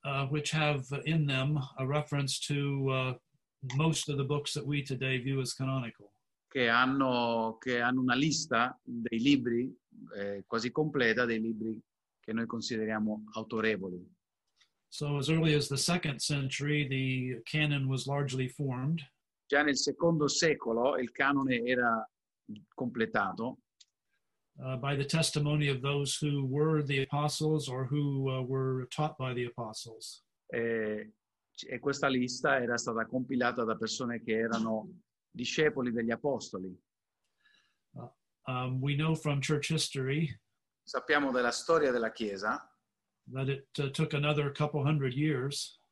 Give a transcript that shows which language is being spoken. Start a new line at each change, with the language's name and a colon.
English: Which have in them a reference to most of the books that we today view as canonical.
Italian: Che hanno una lista dei libri quasi completa dei libri che noi consideriamo autorevoli.
English: So as early as the second century, the canon was largely formed.
Italian: Già nel secondo secolo il canone era completato.
English: By the testimony of those who were the apostles or who were taught by the apostles.
Italian: E questa lista era stata compilata da persone che erano discepoli degli apostoli.
English: We know from church history.
Italian: Sappiamo della storia della Chiesa.
English: That it took another couple hundred years.